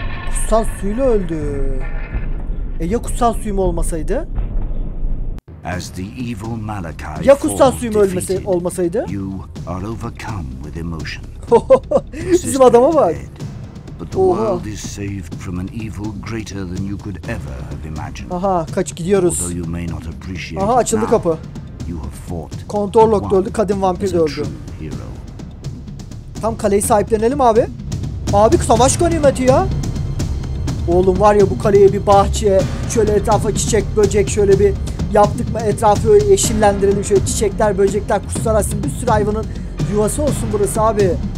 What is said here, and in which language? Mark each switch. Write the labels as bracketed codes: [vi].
[tr] Kutsal suyla öldü. Ya kutsal suyu mu olmasaydı? [en] As the evil Malachi, [tr] ya kutsal suyu mu olmasaydı? [en] You are overcome with emotion. [tr] Bizim adama bak. [en] But the world is saved from an evil greater than you could ever have imagined. [tr] Aha, kaç gidiyoruz. [en] Although you may not appreciate. [tr] Aha, açıldı [en] now, [tr] kapı. [en] You have fought. [tr] Kontrol Lock öldü, kadın vampir de öldü. Tam kaleyi sahiplenelim abi. Abi savaş ganimeti ya. Oğlum var ya, bu kaleye bir bahçe, şöyle etrafa çiçek böcek şöyle bir yaptık mı, etrafı öyle yeşillendirelim, şöyle çiçekler böcekler kuşlar açsın, bir sürü hayvanın yuvası olsun burası abi.